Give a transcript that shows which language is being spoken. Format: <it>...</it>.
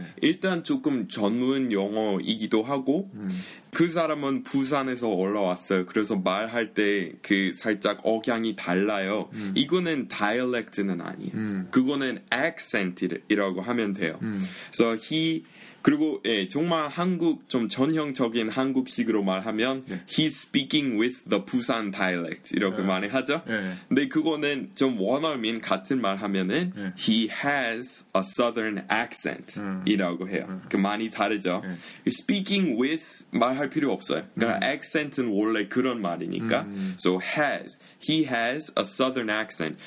<ko>일단 조금 전문 용어이기도 하고 그 사람은 부산에서 올라왔어요. 그래서 말할 때 그 살짝 억양이 달라요. 이거는 dialect는 아니에요. 그거는 accent이라고 하면 돼요.</ko> <en>So he</en> <ko>그리고 예, 정말 한국 좀 전형적인 한국식으로 말하면 네.</ko> <en>he's speaking with the Busan dialect</en> <ko>이렇게 네. 많이 하죠. 네. 근데 그거는 좀 원어민 같은 말하면은 네.</ko> <en>he has a southern accent</en> <ko>이라고 해요. 그 많이 다르죠. 네.</ko> <en>speaking with</en> <ko>말할 필요 없어요. 그러니까 accent은 원래 그런 말이니까.</ko> <en>So has he has a southern accent.</en>